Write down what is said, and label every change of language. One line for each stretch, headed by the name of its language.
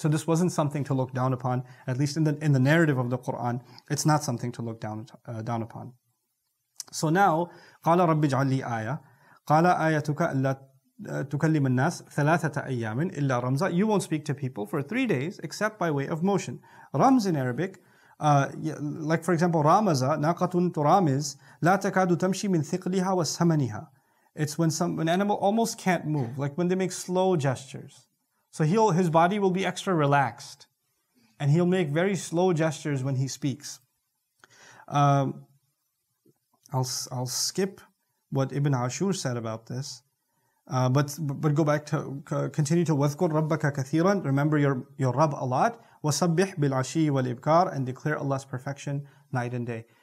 English: So this wasn't something to look down upon, at least in the narrative of the Quran, it's not something to look down upon. So now,
Arabic: قَالَ رَبِّ اجْعَلْ لِي آيَةً قَالَ آيَتُكَ أَلَّا تُكَلِّمَ النَّاسِ ثَلَاثَةَ أَيَّامٍ إِلَّا رَمْزًا.
English: You won't speak to people for 3 days except by way of motion. Rams in Arabic, like for example,
Arabic: رَامَزَ نَاقَةٌ تُرَامِز لَا تَكَادُ تَمْشِي مِنْ ثِقْلِهَا وَسَمَنِهَا.
English: It's when an animal almost can't move, like when they make slow gestures. So his body will be extra relaxed, and he'll make very slow gestures when he speaks. I'll skip what Ibn Ashur said about this, but go back to continue to
Arabic: wadhkur rabbaka kathiran,
English: remember your Rabb a lot,
Arabic: wasabbih bil ashi wal ibkar,
English: and declare Allah's perfection night and day.